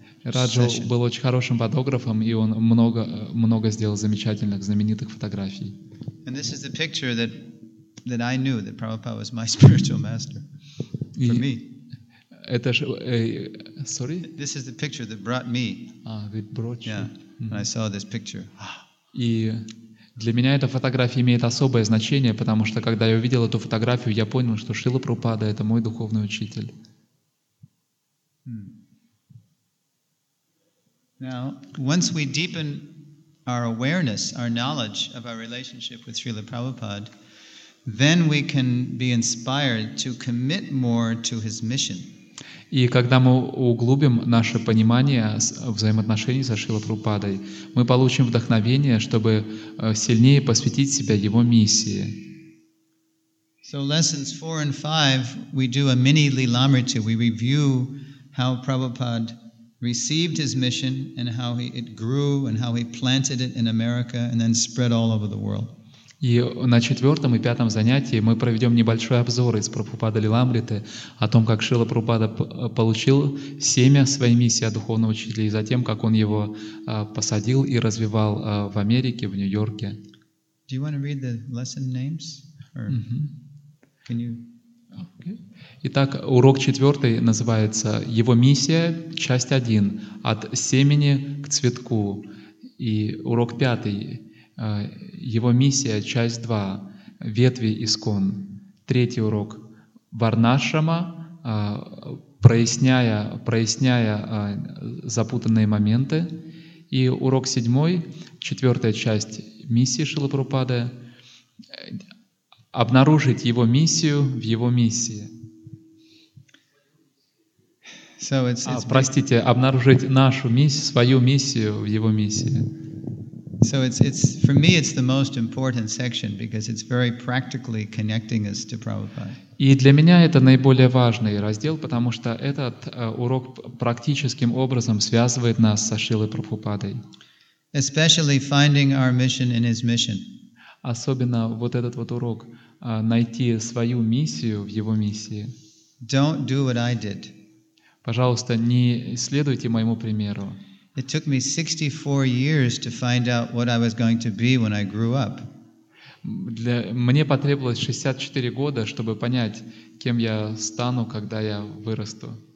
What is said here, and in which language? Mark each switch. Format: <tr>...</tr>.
<ru>Раджа был очень хорошим фотографом, и он много сделал замечательных, знаменитых фотографий.</ru> <en>And this is the picture that I knew that Prabhupada was my spiritual master for me.</en> <ru>Это же,</ru> <en>sorry. This is the picture that brought me. That brought you. Yeah. Mm-hmm. I saw this picture.</en> <ru>И для меня эта фотография имеет особое значение, потому что когда я увидел эту фотографию, я понял, что Шрила Прабхупада — это мой духовный учитель.</ru> <en>Now, once we deepen our awareness, our knowledge of our relationship with Srila Prabhupada, then we can be inspired to commit more to his mission.</en> <ru>И когда мы углубим наше понимание взаимоотношений со Шрилой Прабхупадой, мы получим вдохновение, чтобы сильнее посвятить себя его миссии.</ru> <en>So lessons 4 and 5 we do a mini Lilamrita. We review how Prabhupada received his mission and how it grew and how he planted it in America and then spread all over the world.</en> <ru>И на четвертом и пятом занятии мы проведем небольшой обзор из Прабхупада Лиламриты о том, как Шрила Прабхупада получил семя своей миссии от духовного учителя и затем, как он его посадил и развивал в Америке, в Нью-Йорке.</ru> <en>Do you want to read the lesson names? Or can you... okay.</en> <ru>Итак, урок четвертый называется «Его миссия, часть 1. От семени к цветку». И урок пятый – его миссия, часть 2, ветви искон. Третий урок. Варнашрама, проясняя запутанные моменты. И урок 7, четвертая часть миссии Шрилы Прабхупады. Обнаружить его миссию в его миссии.</ru> <en>So it's</en> <ru>простите, обнаружить нашу миссию, свою миссию в его миссии.</ru> <en>So it's for me it's the most important section because it's very practically connecting us to Prabhupada.</en> <ru>И для меня это наиболее важный раздел, потому что этот урок практическим образом связывает нас со Шрилой Прабхупадой.</ru> <en>Especially finding our mission in his mission.</en> <ru>Особенно вот этот вот урок найти свою миссию в его миссии.</ru> <en>Don't do what I did.</en> <ru>Пожалуйста, не следуйте моему примеру.</ru> <en>It took me 64 years to find out what I was going to be when I grew up.</en> <ru>Мне потребовалось 64 года, чтобы понять, кем я стану, когда я вырасту.</ru>